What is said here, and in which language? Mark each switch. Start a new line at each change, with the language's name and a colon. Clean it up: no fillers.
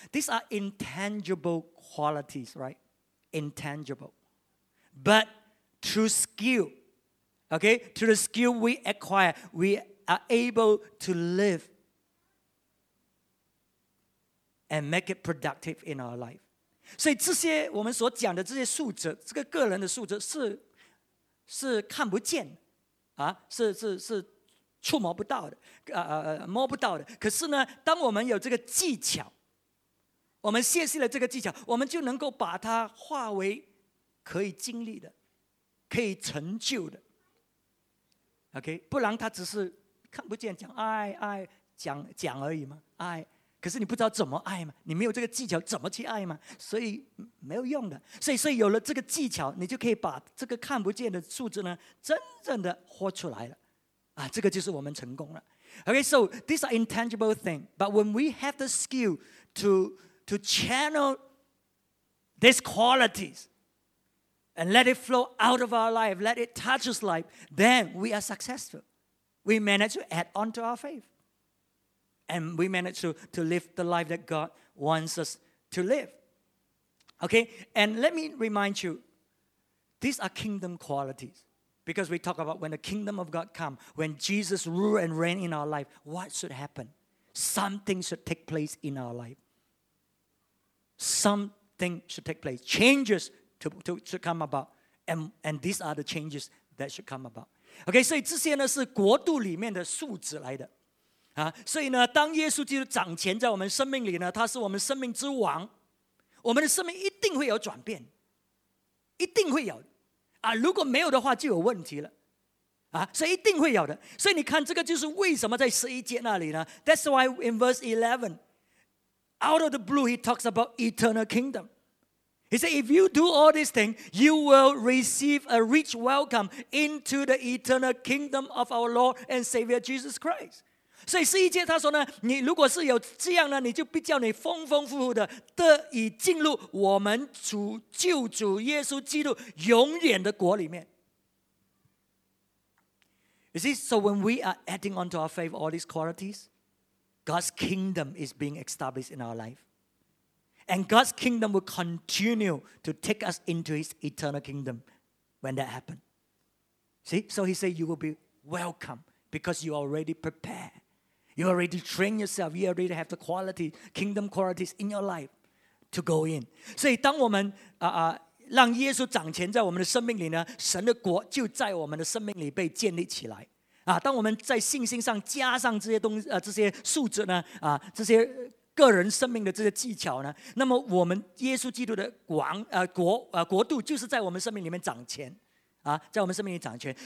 English: These are intangible qualities, right? Intangible, but through skill, okay, through the skill we acquire, we are able to live and make it productive in our life.
Chinese: 所以这些我们所讲的这些素质，这个个人的素质是看不见啊，是触摸不到的，摸不到的。可是呢，当我们有这个技巧。我们学习了这个技巧，我们就能够把它化为可以经历的、可以成就的。 OK， 不然它只是看不见，讲爱爱讲而已嘛，爱。可是你不知道怎么爱嘛，你没有这个技巧怎么去爱嘛，所以没有用的。所以有了这个技巧，你就可以把这个看不见的数字呢，真正的活出来了。啊，这个就是我们成功了。
English: OK， so these are intangible things, but when we have the skill to channel these qualities and let it flow out of our life, let it touch us life, then we are successful. We manage to add on to our faith. And we manage to live the life that God wants us to live. Okay? And let me remind you, these are kingdom qualities. Because we talk about when the kingdom of God come, when Jesus rule and reign in our life, what should happen? Something should take place in our life. Something should take place. Changes should come about. And these are the changes that should come about.
Chinese: Okay, 所以这些呢是国度里面的数字来的。所以呢当耶稣基督掌权在我们生命里呢，他是我们生命之王。我们的生命一定会有转变。一定会有。如果没有的话就有问题了。所以一定会有的。所以你看这个就是为什么在十一节那里呢 ?
English: That's why in verse 11,Out of the blue, he talks about eternal kingdom. He said, if you do all these things, you will receive a rich welcome into the eternal kingdom of our Lord and Savior Jesus Christ.
Chinese: 所以十一节他说呢，你如果是有这样呢，你就必叫你丰丰富富的，得以进入我们主救主耶稣基督永远的国里面。
English: You see, so when we are adding onto our faith all these qualities, God's kingdom is being established in our life. And God's kingdom will continue to take us into his eternal kingdom when that happens. See, so he said you will be welcome because you already prepared. You already trained yourself. You already have the quality, kingdom qualities in your life to go in.
Chinese: 所以当我们 让耶稣掌权在我们的生命里呢，神的国就在我们的生命里被建立起来。啊，当我们在信心上加上这些东西，这些素质呢，啊，这些个人生命的这些技巧呢，那么我们耶稣基督的王，国度就是在我们生命里面掌权，啊，在我们生命里掌权。